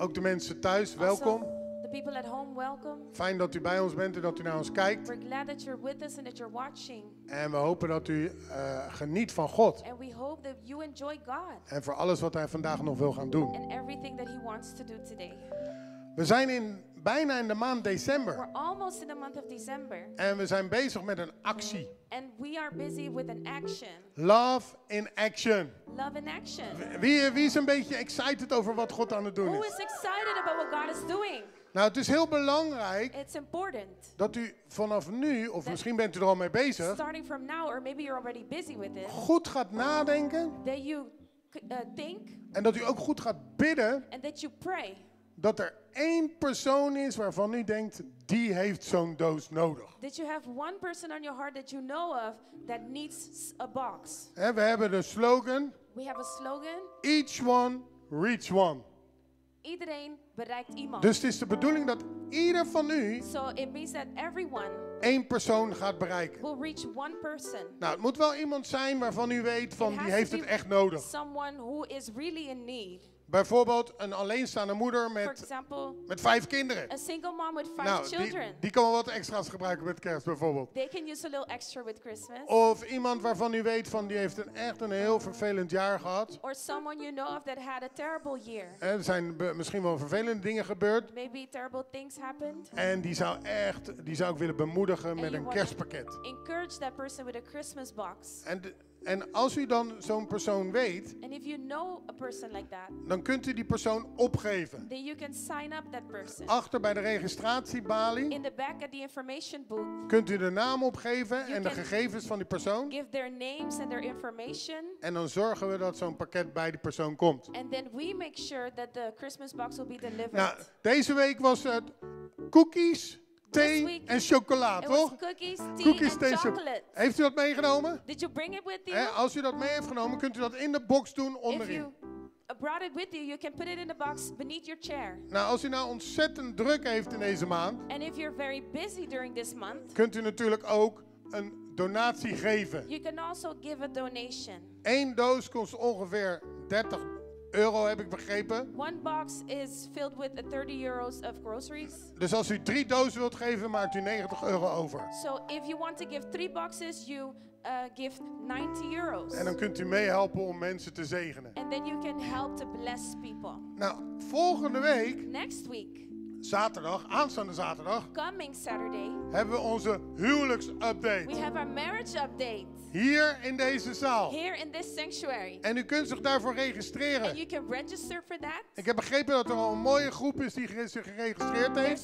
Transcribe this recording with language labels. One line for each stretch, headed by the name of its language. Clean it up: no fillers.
Dutch: Ook de mensen thuis, welkom.
English: Also, the people at home, welcome.
Dutch: Fijn dat u bij ons bent en dat u naar ons kijkt.
English: We're glad that you're with us and that you're watching.
Dutch: En we hopen dat u geniet van God.
English: And we hope that you enjoy God.
Dutch: En voor alles wat hij vandaag nog wil gaan doen.
English: And everything that he wants to do today.
Dutch: We zijn bijna in de maand december.
English: We're almost in the month of December.
Dutch: En we zijn bezig met een actie.
English: And we are busy with an action. Love in action. Love in action.
Dutch: Wie is een beetje excited over wat God aan het doen is?
English: Who is excited about what God is doing?
Dutch: Nou, het is heel belangrijk.
English: It's important.
Dutch: Dat u vanaf nu, of
English: that
Dutch: misschien bent u er al mee bezig.
English: Starting from now, or maybe you're already busy with it.
Dutch: Goed gaat nadenken.
English: That you think.
Dutch: En dat u ook goed gaat bidden.
English: And that you pray.
Dutch: Dat er één persoon is waarvan u denkt, die heeft zo'n doos nodig.
English: That you have one person on your heart that you know of that needs a box.
Dutch: En we hebben de slogan.
English: We have a slogan. Each one reach one.
Dutch: Iedereen bereikt iemand. Dus het is de bedoeling dat ieder van u.
English: So it means that everyone.
Dutch: Eén persoon gaat bereiken.
English: Will reach one person.
Dutch: Nou, het moet wel iemand zijn waarvan u weet van
English: it
Dutch: die heeft het echt nodig.
English: Someone who is really in need.
Dutch: Bijvoorbeeld een alleenstaande moeder met vijf kinderen.
English: A single mom with five nou, children.
Dutch: Die kan wel wat extra's gebruiken met kerst bijvoorbeeld.
English: They can use a little extra with Christmas.
Dutch: Of iemand waarvan u weet van die heeft echt een heel vervelend jaar gehad.
English: Or someone you know of that had a terrible year.
Dutch: Er zijn misschien wel vervelende dingen gebeurd.
English: Maybe terrible things happened.
Dutch: En die zou ik willen bemoedigen met een kerstpakket.
English: Encourage that person with a Christmas box.
Dutch: En als u dan zo'n persoon weet,
English: and if you know a person like that,
Dutch: dan kunt u die persoon opgeven.
English: Then you can sign up that person.
Dutch: Achter bij de registratiebalie
English: in the back at the information booth,
Dutch: kunt u de naam opgeven en de gegevens van die persoon.
English: Give their names and their information.
Dutch: En dan zorgen we dat zo'n pakket bij die persoon komt.
English: And then we make sure that the Christmas box will be delivered.
Dutch: Nou, deze week was het cookies, thee en chocolade, toch?
English: Cookies, tea and chocolate.
Dutch: Heeft u dat meegenomen?
English: Did you bring it with you?
Dutch: Als u dat mee heeft genomen, kunt u dat in de box doen onderin.
English: If you brought it with you, you can put it in the box beneath your chair.
Dutch: Nou, als u nou ontzettend druk heeft in deze maand,
English: and if you're very busy during this month,
Dutch: kunt u natuurlijk ook een donatie geven.
English: You can also give a donation.
Dutch: Eén doos kost ongeveer 30 euro, heb ik begrepen.
English: One box is filled with 30 euros of groceries.
Dutch: Dus als u 3 dozen wilt geven, maakt u 90 euro over.
English: So if you want to give 3 boxes, you give 90 euros.
Dutch: En dan kunt u meehelpen om mensen te zegenen.
English: And then you can help to bless people.
Dutch: Nou, volgende week.
English: Next week.
Dutch: Zaterdag, aanstaande zaterdag.
English: Coming Saturday.
Dutch: Hebben we onze huwelijksupdate.
English: We have our marriage update.
Dutch: Hier in deze zaal.
English: Here in this sanctuary.
Dutch: En u kunt zich daarvoor registreren.
English: And you can register for that.
Dutch: Ik heb begrepen dat er al een mooie groep is die zich geregistreerd heeft.